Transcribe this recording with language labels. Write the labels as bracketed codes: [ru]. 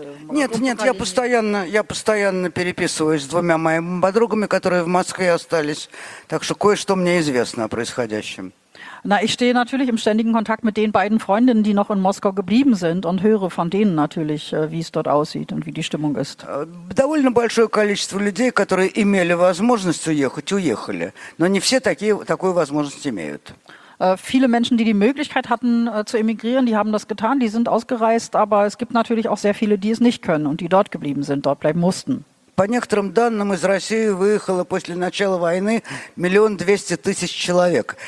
[ru] Нет, я постоянно переписываюсь с двумя моими подругами, которые в Москве остались, так что кое-что мне известно о происходящем. [de] Na, ich stehe natürlich im ständigen Kontakt mit den beiden Freundinnen, die noch in Moskau geblieben sind und höre von denen natürlich, wie es dort aussieht und wie die Stimmung ist. [ru] Довольно большое количество людей, которые имели возможность уехать, уехали, но не все такую возможность имеют. [de] Viele Menschen, die Möglichkeit hatten zu emigrieren, die haben das getan, die sind ausgereist, aber es gibt natürlich auch sehr viele, die es nicht können und die dort geblieben sind, dort bleiben mussten. [ru] По некоторым данным, из России выехало после начала войны 1 200 000 человек.